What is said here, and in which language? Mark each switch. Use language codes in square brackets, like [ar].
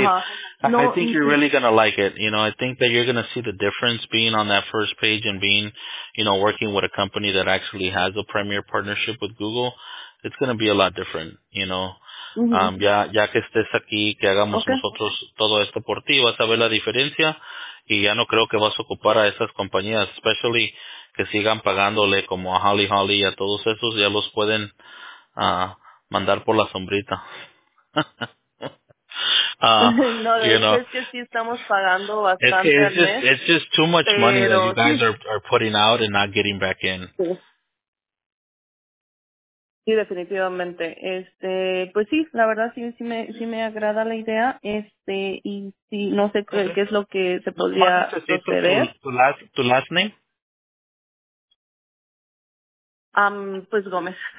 [en] I think you're really going to like it. I think that you're going to see the difference being on that first page and being, working with a company that actually has a premier partnership with Google. It's going to be a lot different, [es] ya que estés aquí, que hagamos nosotros todo esto por ti, vas a ver la diferencia y ya no creo que vas a ocupar a esas compañías, especially que sigan pagándole como a Holly Holly y a todos esos, ya los pueden mandar por la sombrita. [en] It's just too much money that you guys are putting out and not getting back in. [es] Sí, definitivamente. Pues sí, la verdad sí me agrada la idea. Y sí, no sé qué es lo que se podría suceder. Tu last name? Pues Gómez.